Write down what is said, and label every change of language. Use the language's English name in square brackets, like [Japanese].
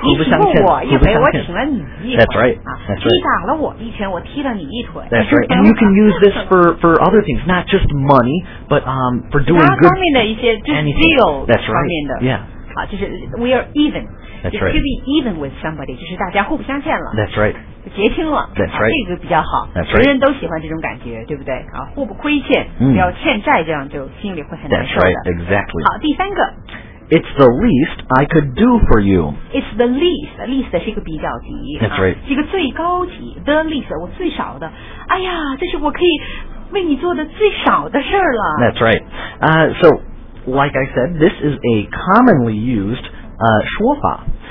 [Chinese] 你请我一回我请了你一回 [English] That's right. That's right. [Chinese] 你挡了我一拳我踢了你一腿 [English] That's right. And you can use this for other things not just money but for doing good [Chinese] 其他方面的一些 [English] That's right. Yeah. [Chinese] 好就是 [English] we are even That's right. To be even with somebody, [Chinese] 就是大家互不相欠了。 [English] That's right. [Chinese] 结清了。 [English] That's right. [Chinese] 这个比较好。 [English] That's right. [Chinese] 人人都喜欢这种感觉，对不对？啊，互不亏欠，不要欠债，这样就心里会很难受的。 [English] That's right. Exactly. [Chinese] 好，第三个。 [English] It's the least I could do for you. It's the least. Least [Chinese] 是一个比较级。 [English] That's right. [Chinese] 是一个最高级。 [English] The least, [Chinese] 我最少的。哎呀，这是我可以为你做的最少的事了。 [English] That's right. So, like I said, this is a commonly used, 说法。